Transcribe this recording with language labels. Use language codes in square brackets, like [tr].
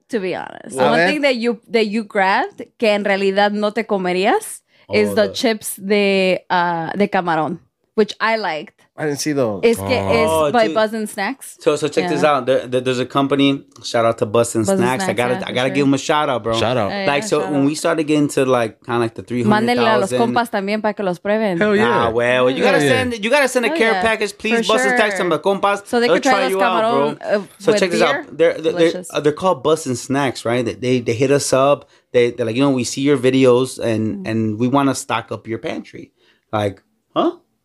[en] To be honest, what? One thing that you grabbed [es] que en realidad no te comerías [en] is the chips [es] de camarón, [en] which I liked. I didn't see those. It's by Buzz and Snacks. So check this out. There's a company. Shout out to Buzz and Snacks. I gotta give them a shout out, bro. Shout out. When we started getting to like kind of like the 300,000. [es] Mándenle a los compas también para que los prueben. [en] Hell yeah. Ah, well, you gotta send a care package, please. Buzz and Snacks and the compas. So they could try you out, bro. So check beer? This out. They're called Buzz and Snacks, right? They hit us up. They're like, you know, we see your videos and we want to stock up your pantry. Like, huh?